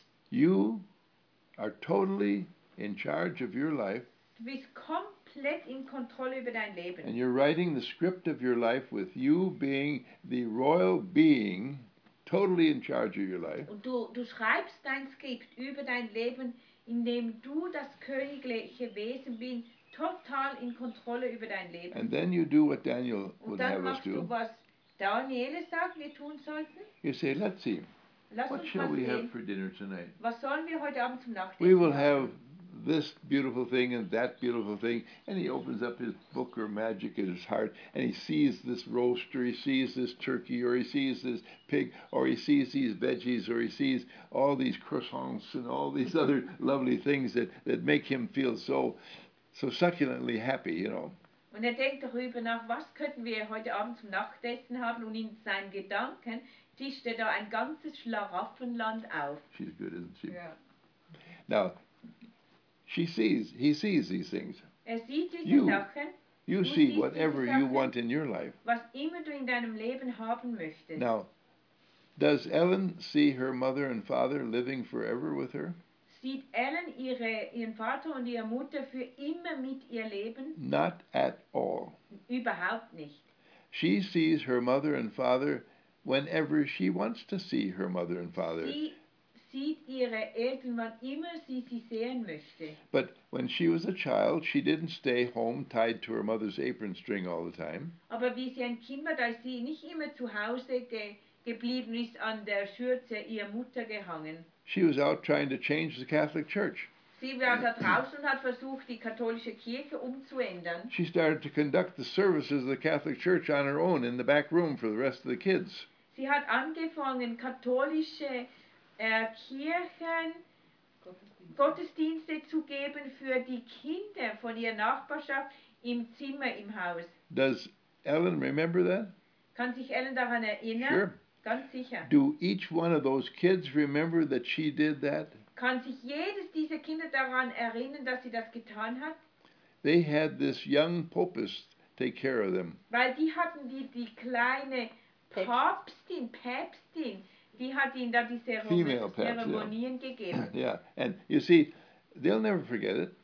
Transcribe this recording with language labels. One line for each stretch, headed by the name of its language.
English: You are totally in charge of your life.
German: Du bist komplett in Kontrolle über dein Leben.
English: And you're writing the script of your life with you being the royal being, totally in charge of your life.
German: Und du schreibst dein Skript über dein Leben, indem du das königliche Wesen bist, total in Kontrolle über dein Leben.
English: And then you do what Daniel would have us do.
German: Und dann machst du, was Daniel sagt, wir tun sollten.
English: You say, let's see.
German: Lass
English: what
German: uns
English: shall we
German: sehen.
English: Have for dinner tonight?
German: Was sollen wir heute Abend zum Nachtessen?
English: We will have this beautiful thing and that beautiful thing. And he opens up his book or magic in his heart and he sees this roast or he sees this turkey or he sees this pig or he sees these veggies or he sees all these croissants and all these other lovely things that make him feel so succulently happy, you know.
German: Und er denkt darüber nach, was könnten wir heute Abend zum Nachtessen haben, und in seinen Gedanken tischt er da ein ganzes Schlaraffenland auf.
English: She's good, isn't she? Yeah. Now, he sees these things.
German: Er sieht diese Sachen.
English: You see whatever you want in your life.
German: Was immer du in deinem Leben haben möchtest.
English: Now, does Ellen see her mother and father living forever with her?
German: Sieht Ellen ihren Vater und ihre Mutter für immer mit ihr leben?
English: Not at all.
German: Überhaupt nicht.
English: She sees her mother and father whenever she wants to see her mother and father.
German: Sie sieht ihre Eltern, wann immer sie sehen möchte.
English: But when she was a child, she didn't stay home tied to her mother's apron string all the time.
German: Aber wie sie ein Kind war, da ist sie nicht immer zu Hause geblieben, ist an der Schürze ihrer Mutter gehangen.
English: She was out trying to change the Catholic Church.
German: Sie war da draußen und hat versucht, die katholische Kirche umzuändern.
English: She started to conduct the services of the Catholic Church on her own in the back room for the rest of the kids.
German: Sie hat angefangen, katholische Kirchen Gottesdienste zu geben für die Kinder von ihrer Nachbarschaft im Zimmer im Haus.
English: Does Ellen remember that?
German: Kann sich Ellen daran erinnern?
English: Sure.
German: Ganz sicher.
English: Do each one of those kids remember that she did that?
German: Kann sich jedes dieser Kinder daran erinnern, dass sie das getan hat?
English: They had this young Popist take care of them.
German: Weil die hatten die kleine Papstin, Päpstin, die hat ihnen da die Zeremonien gegeben.
English: Yeah, and you see, they'll never forget it.